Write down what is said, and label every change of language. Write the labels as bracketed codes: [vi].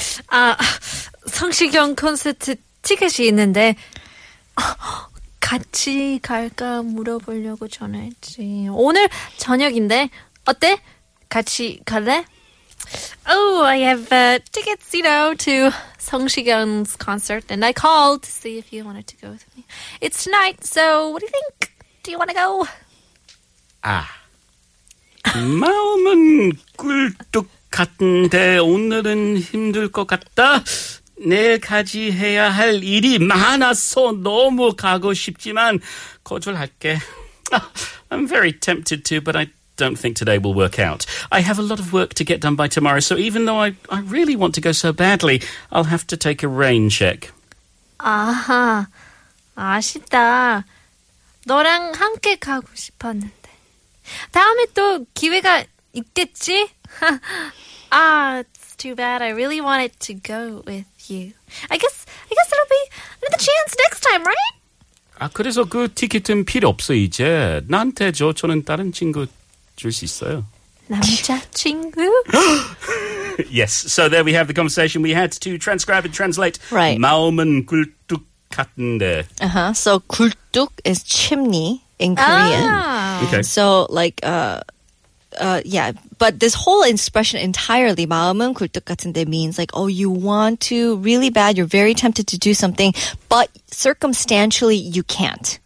[ko] 아, 성시경 콘서트 티켓이 있는데... 같이 갈까 물어보려고 전화했지. 오늘 저녁인데 어때? 같이 갈래? [en] Oh, I have tickets, you know, to Song Shigeon's concert, and I called to see if you wanted to go with me. It's tonight, so what do you think? Do you want to go? [ko] 아, 마음은 꿀뚝 같은데 오늘은 힘들 것 같다. 내일 가지 해야 할 일이 많아서 너무 가고 싶지만 거절할게. [en] I'm very tempted to, but I don't think today will work out. I have a lot of work to get done by tomorrow, so even though I really want to go so badly, I'll have to take a rain check. [ko] 아하, 아쉽다. 너랑 함께 가고 싶었는데. 다음에 또 기회가 있겠지? [en] 아, it's too bad. I really wanted to go with you. I guess it'll be another chance next time, right? [ko] 아, 그래서 그 티켓은 필요 없어, 이제. 나한테 줘, 저는 다른 친구 줄 수 있어요. 남자친구? [en] Yes, so there we have the conversation we had to transcribe and translate. Right. [ko] 마음은 굴뚝 같은데. [en] Uh-huh, so 굴뚝 is chimney in Korean. Ah. Okay. So, like, yeah, but this whole expression entirely, [ko] 마음은 굴뚝 같은데, [en] means like, oh, you want to really bad, you're very tempted to do something, but circumstantially, you can't.